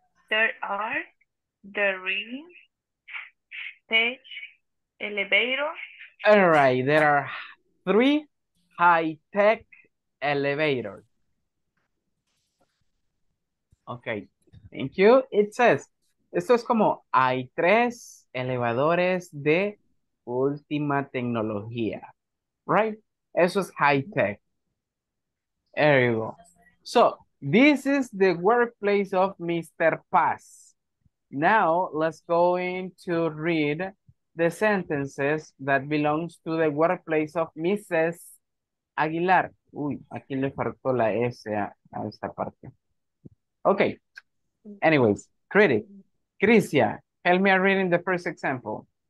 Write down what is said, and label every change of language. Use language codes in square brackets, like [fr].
[en] There are the ring stage elevators. All right, there are three high-tech elevators. Okay, thank you. It says, [es] esto es como, hay tres elevadores de última tecnología, right? Eso es [en] high tech. There you go. So, this is the workplace of Mr. Paz. Now, let's go in to read the sentences that belongs to the workplace of Mrs. Aguilar. [es] Uy, aquí le faltó la S a esta parte. [en] Okay, anyways, critic. Crisia, help me read in the first example.